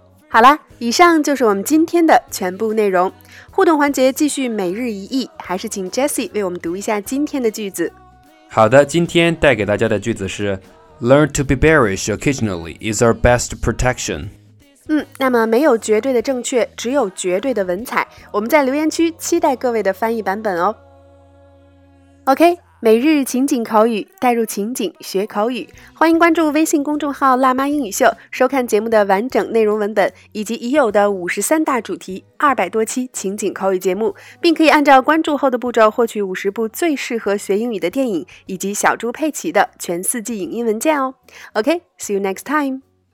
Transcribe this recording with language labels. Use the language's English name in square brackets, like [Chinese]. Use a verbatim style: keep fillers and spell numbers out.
[Chinese] 好啦，以上就是我们今天的全部内容。互动环节继续每日一译，还是请 Jessie 为我们读一下今天的句子。好的，今天带给大家的句子是 [English] Learn to be bearish occasionally is our best protection. [Chinese] 嗯，那么没有绝对的正确，只有绝对的文采。我们在留言区期待各位的翻译版本哦。OK， 每日情景口语，带入情景学口语。欢迎关注微信公众号辣妈英语秀，收看节目的完整内容文本，以及已有的五十三大主题、二百多期情景口语节目，并可以按照关注后的步骤获取五十部最适合学英语的电影，以及小猪佩奇的全四季影音文件哦。OK， [English] see you next time.